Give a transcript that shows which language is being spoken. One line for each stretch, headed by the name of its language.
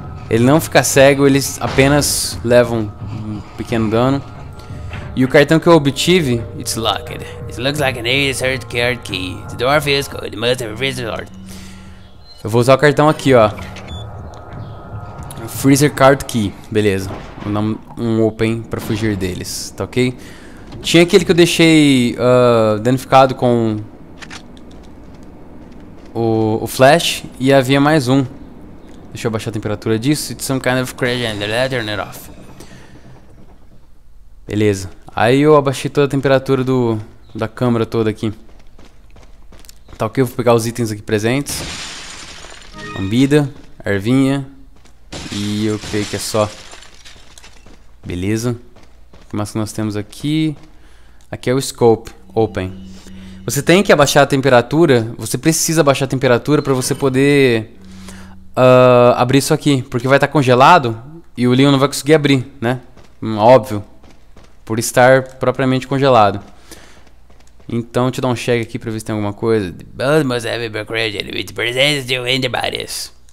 Portuguese: Ele não fica cego, eles apenas levam um pequeno dano. E o cartão que eu obtive...
English: It's locked. It looks like an A-Sert card key. The door feels good. It must have a freezer card.
Portuguese: Eu vou usar o cartão aqui, ó.
English: Freezer card key.
Portuguese: Beleza. Vou dar um open pra fugir deles. Tá ok? Tinha aquele que eu deixei danificado com... O flash, e havia mais um. Deixa eu abaixar a temperatura disso.
English: It's some kind of crazy and let's turn it off.
Portuguese: Beleza. Aí eu abaixei toda a temperatura da câmera toda aqui. Tá ok, eu vou pegar os itens aqui presentes. Lambida, ervinha. E eu creio que é só. Beleza. O que mais que nós temos aqui? Aqui é o scope, open. Você tem que abaixar a temperatura. Você precisa abaixar a temperatura pra você poder abrir isso aqui. Porque vai estar congelado e o Leon não vai conseguir abrir, né? Óbvio. Por estar propriamente congelado. Então, deixa eu dar um check aqui pra ver se tem alguma coisa.
English: The bones must have been created with the presence of antibodies.